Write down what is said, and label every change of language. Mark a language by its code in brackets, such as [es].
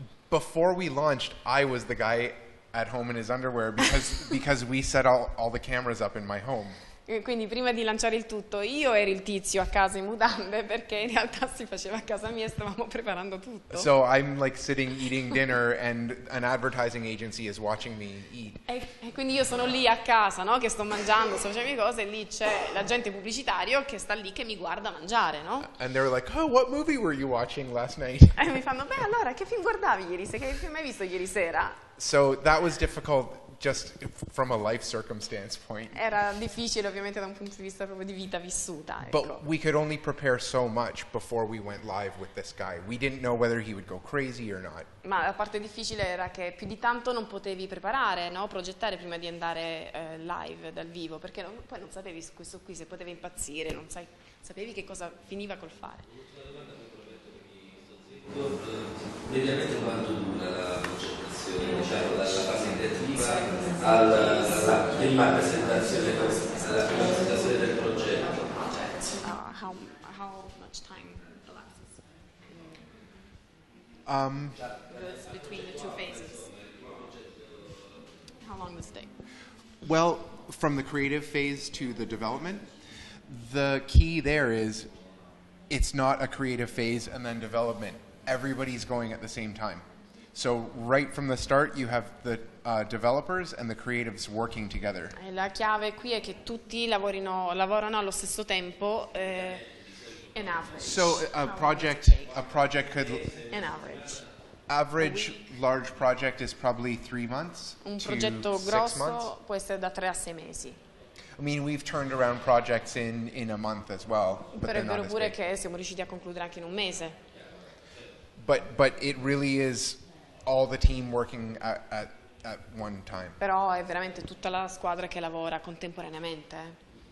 [en] Before we launched, I was the guy at home in his underwear because we set all the cameras up in my home. [it] Quindi prima di lanciare il tutto, io ero il tizio a casa in mutande perché in realtà si faceva a casa mia e stavamo preparando tutto. [en] So I'm like sitting eating dinner and an advertising agency is watching me eat. [it] E quindi io sono lì a casa, no? Che sto mangiando, sto facendo le cose e lì c'è l'agente pubblicitario che sta lì che mi guarda mangiare, no? [en] And they're like, oh, what movie were you watching last night? [it] E mi fanno, beh allora, che film guardavi ieri sera? Che film hai visto ieri sera? [en] So that was difficult. Just from a life circumstance point. [it] Era difficile ovviamente da un punto di vista proprio di vita vissuta. Ecco. [en] But we could only prepare so much before we went live with this guy. We didn't know whether he would go crazy or not. [it] Ma la parte difficile era che più di tanto non potevi preparare, no? Progettare prima di andare live dal vivo, perché poi non sapevi su questo qui se poteva impazzire, non sai, sapevi che cosa finiva col fare. Mediamente quanto dura la progettazione, diciamo, dalla fase ideativa alla prima presentazione, alla presentazione del progetto? [en] How much time elapses? Between the two phases? How long does it take? Well, from the creative phase to the development, the key there is it's not a creative phase and then development. Everybody's going at the same time. So right from the start you have the developers and the creatives working together. [it] E la chiave qui è che tutti lavorano allo stesso tempo [en] in average. So a project could an average. Average large project is probably 3 months. [it] Un progetto grosso può essere da 3 a 6 mesi. [en] I mean, we've turned around projects in a month as well, but [it] però è vero pure che siamo riusciti a concludere anche in un mese. [en] But it really is all the team working at one time. [it] Però è veramente tutta la squadra che lavora contemporaneamente.